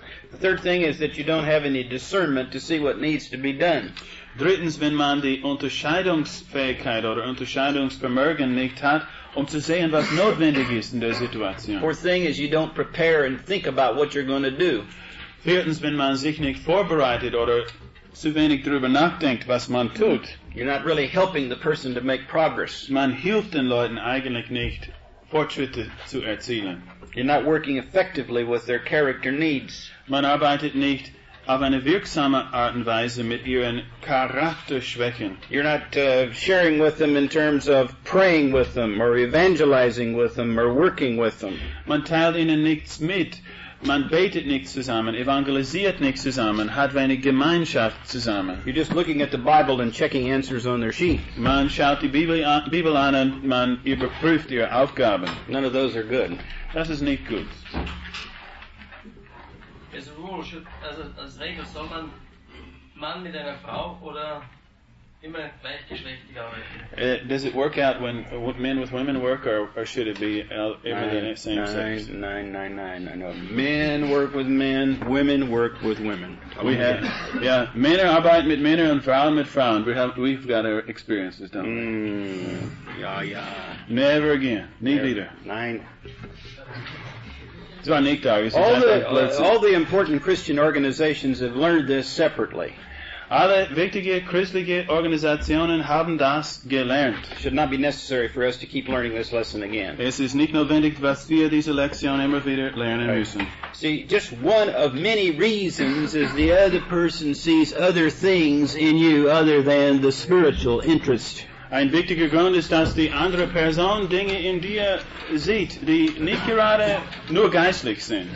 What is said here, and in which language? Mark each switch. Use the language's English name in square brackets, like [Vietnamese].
[English] The third thing is that you don't have any discernment to see what needs to be done. [German] Drittens, wenn man die Unterscheidungsfähigkeit oder Unterscheidungsvermögen nicht hat, um zu sehen, was notwendig ist in der Situation. [English] Fourth thing is you don't prepare and think about what you're going to do. [German] Viertens, wenn man sich nicht vorbereitet oder zu wenig darüber nachdenkt, was man tut. [English] You're not really helping the person to make progress. [German] Man hilft den Leuten eigentlich nicht, Fortschritte zu erzielen. [English] You're not working effectively with their character needs. [German] Man arbeitet nicht auf eine wirksame Art und Weise mit ihren Charakterschwächen. [English] You're not sharing with them in terms of praying with them or evangelizing with them or working with them. [German] Man teilt ihnen nichts mit. Man betet nicht zusammen, evangelisiert nicht zusammen, hat wenig Gemeinschaft zusammen. [English] You're just looking at the Bible and checking answers on their sheet. [German] Man schaut die Bibel an und man überprüft ihre Aufgaben. [English] None of those are good. [German] Das ist nicht gut. Als Regel soll man Mann mit einer Frau oder immer gleichgeschlechtlich arbeiten? [English] Does it work out when men with women work, or should it be immer the same sex? Men work with men, women work with women. We have, yeah, [German] Männer arbeiten mit Männern und Frauen mit Frauen. [English] We've got our experiences, don't we? Yeah. Never again. [German] Nie wieder. Nein. [English] All the important Christian organizations have learned this separately. [German] Alle wichtige christliche Organisationen haben das gelernt. [English] Should not be necessary for us to keep learning this lesson again. [German] Es ist nicht notwendig, dass wir diese Lektion immer wieder lernen müssen. [English] See, just one of many reasons is the other person sees other things in you other than the spiritual interest. [German] Ein wichtiger Grund ist, dass die andere Person Dinge in dir sieht, die nicht gerade nur geistlich sind.